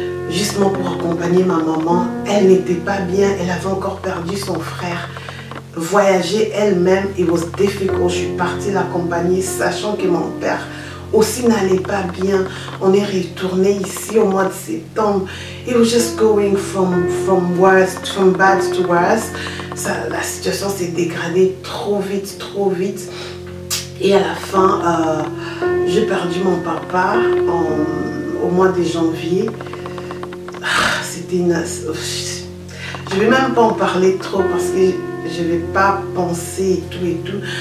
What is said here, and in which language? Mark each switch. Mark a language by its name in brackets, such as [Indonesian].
[French] Justement pour accompagner ma maman. Elle n'était pas bien. Elle avait encore perdu son frère. Voyager elle-même, [English] it was difficult. [French] Je suis partie l'accompagner sachant que mon père aussi n'allait pas bien. On est retourné ici au mois de septembre. [English] It was just going from worse, from bad to worse. [French] Ça, la situation s'est dégradée trop vite, trop vite. Et à la fin, j'ai perdu mon papa au mois de janvier. C'était une... Je ne vais même pas en parler trop parce que je ne vais pas penser tout et tout.